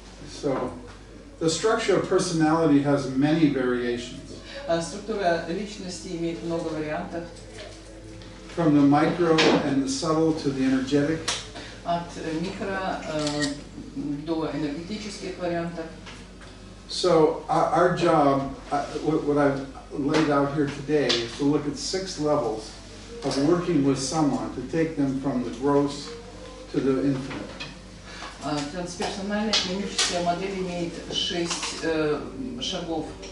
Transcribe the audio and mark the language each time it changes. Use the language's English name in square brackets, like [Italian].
[English] So, the structure of personality has many variations. [Russian] Структура личности имеет много вариантов. [English] From the micro and the subtle to the energetic. [Russian] От микро до энергетических вариантов. [English] So, our job, what I've laid out here today is to look at six levels of working with someone to take them from the gross to the infinite. [Russian] Трансперсональная клиническая модель имеет шесть шагов.